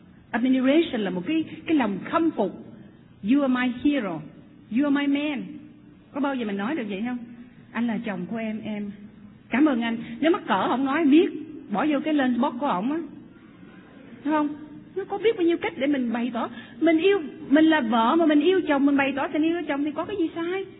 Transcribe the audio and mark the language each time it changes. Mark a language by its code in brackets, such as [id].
[vi] Admiration là một cái lòng khâm phục. [en] You are my hero, you are my man. [vi] Có bao giờ mình nói được vậy không? Anh là chồng của em cảm ơn anh. Nếu mắc cỡ không nói biết, bỏ vô cái lunchbox của ổng á, đúng không? Nó có biết bao nhiêu cách để mình bày tỏ mình yêu. Mình là vợ mà mình yêu chồng, mình bày tỏ tình yêu chồng thì có cái gì sai?